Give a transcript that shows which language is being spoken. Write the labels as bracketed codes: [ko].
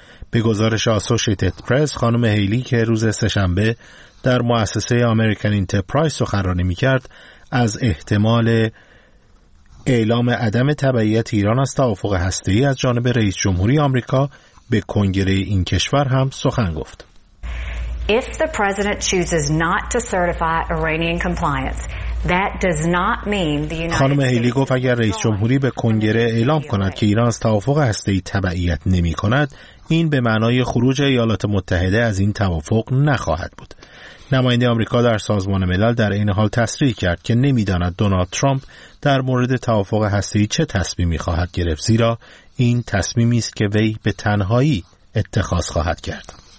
[fa] به گزارش آسوشیتد پرس، خانم هیلی که روز سه‌شنبه در مؤسسه آمریکن انترپرایز سخنرانی می‌کرد، از احتمال اعلام عدم تبعیت ایران از توافق هسته‌ای از جانب رئیس جمهوری آمریکا به کنگره این کشور هم سخن گفت. [en] If the president chooses not to certify Iranian compliance, that does not mean the United [fa] خانم هیلی گفت اگر رئیس جمهوری به کنگره اعلام کند که ایران از توافق هسته‌ای تبعیت نمی‌کند، این به معنای خروج ایالات متحده از این توافق نخواهد بود. نماینده آمریکا در سازمان ملل در این حال تصریح کرد که نمی‌داند دونالد ترامپ در مورد توافق هسته‌ای چه تصمیمی خواهد گرفت، زیرا این تصمیمی است که وی به تنهایی اتخاذ خواهد کرد.